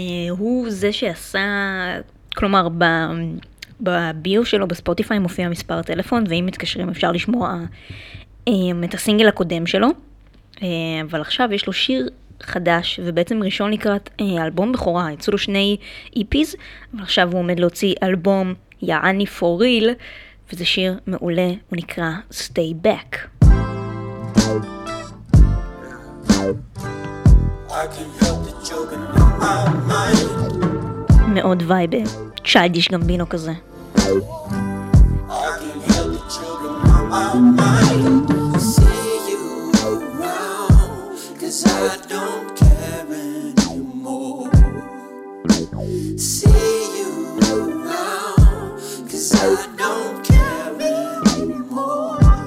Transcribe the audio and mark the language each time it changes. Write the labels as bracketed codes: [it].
[he] הוא זה שעשה, כלומר, בביו שלו בספוטיפיי מופיע מספר טלפון, ואם מתקשרים אפשר לשמוע את הסינגל הקודם שלו. אבל עכשיו יש לו שיר חדש, ובעצם ראשון לקראת אלבום בכורה, יצאו לו שני איפיז, אבל עכשיו הוא עומד להוציא אלבום יעני פור ריל, וזה שיר מעולה, הוא נקרא Stay Back. [en] I can help the children in my mind. [he] מאוד וייב, צ'יידיש גמבינו כזה. [en] I can help the children in my mind. I don't care anymore. See you around, 'cause I don't care anymore.